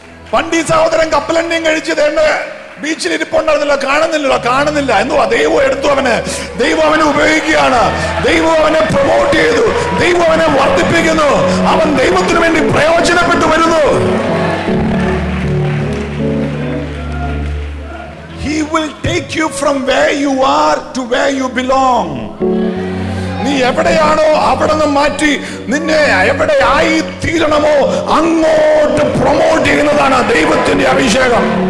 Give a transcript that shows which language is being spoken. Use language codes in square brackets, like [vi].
[ml] പണ്ടി സഹോദരൻ കപ്പലണ്ണയും കഴിച്ചത് എന്റെ ബീച്ചിൽ ഇരിപ്പുണ്ടായിരുന്നല്ലോ, കാണുന്നില്ലല്ലോ, കാണുന്നില്ല. എന്തോ ദൈവം എടുത്തു അവനെ, ദൈവം അവനെ ഉപയോഗിക്കുകയാണ്, ദൈവം അവനെ പ്രൊമോട്ട് ചെയ്തു, ദൈവം അവനെ വർദ്ധിപ്പിക്കുന്നു. അവൻ ദൈവത്തിന് വേണ്ടി പ്രയോജനപ്പെട്ടു വരുന്നു. [en] He will take you from where you are to where you belong. [ml] നീ എവിടെയാണോ അവിടെ നിന്ന് മാറ്റി നിന്നെ എവിടെയായി തീരണമോ അങ്ങോട്ട് പ്രൊമോട്ട് ചെയ്യുന്നതാണ് ദൈവത്തിന്റെ അഭിഷേകം.